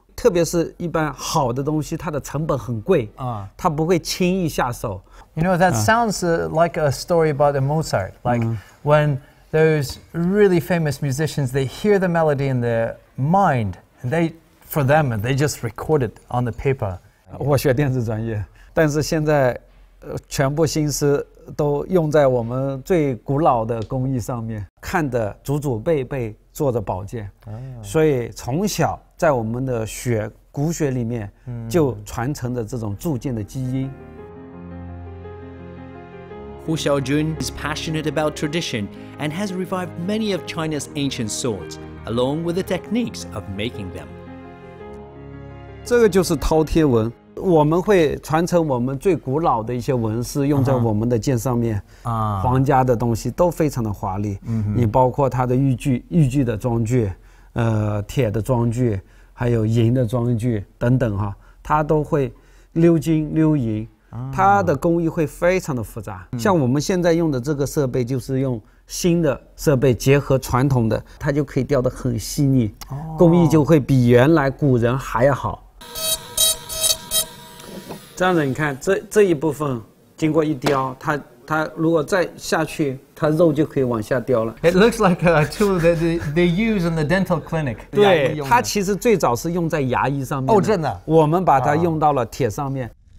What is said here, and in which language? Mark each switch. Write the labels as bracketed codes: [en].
[zh] 特别是一般好的东西，它的成本很贵啊，它不会轻易下手。 [en] You know, that sounds like a story about a Mozart. Like when those really famous musicians, they hear the melody in their mind, and they, for them, they just record it on the paper. [zh] 我学电子专业，但是现在，全部心思都用在我们最古老的工艺上面，看的祖祖辈辈做的宝剑，所以从小。在我们的血骨血里面就传承着这种铸剑的基因。 [en] Hu Xiaojun is passionate about tradition and has revived many of China's ancient swords, along with the techniques of making them. [zh] 这个就是饕餮纹，我们会传承我们最古老的一些纹饰用在我们的剑上面。皇家的东西都非常的华丽，你包括它的玉具的装具。铁的装具，还有银的装具等等哈，它都会溜金溜银，它的工艺会非常的复杂。像我们现在用的这个设备，就是用新的设备结合传统的，它就可以雕得很细腻，工艺就会比原来古人还要好。这样子，你看这一部分经过一雕，它如果再下去，它肉就可以往下掉了。 [en] It looks like a tool that they use in the dental clinic. [zh] 对，它其实最早是用在牙医上面。哦，真的。我们把它用到了铁上面。